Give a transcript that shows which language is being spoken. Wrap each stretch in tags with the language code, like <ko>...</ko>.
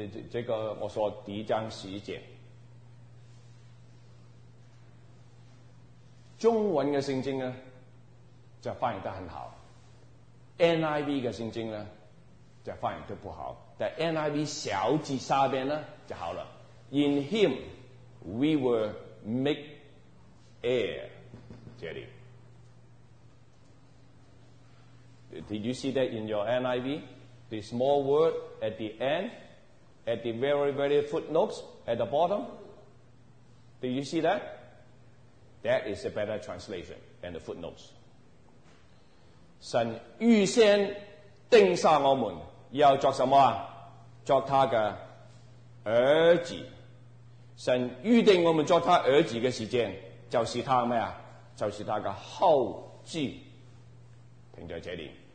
<zh>这个我说第一章十一节。中文的圣经呢就翻译得很好， NIV 的圣经呢就翻译得不好，但 NIV 小字下边呢就好了。</zh> <en>In him we were made heir， 这里 Did you see that in your NIV? The small word at the end, at the very very footnotes at the bottom, Did you see thatThat is a better translation and the footnotes.</en> <zh>神预先定下我们要做什么？做他的儿子。神预定我们做他儿子的时间，就是他什么？就是他的后继。停在这里。</zh>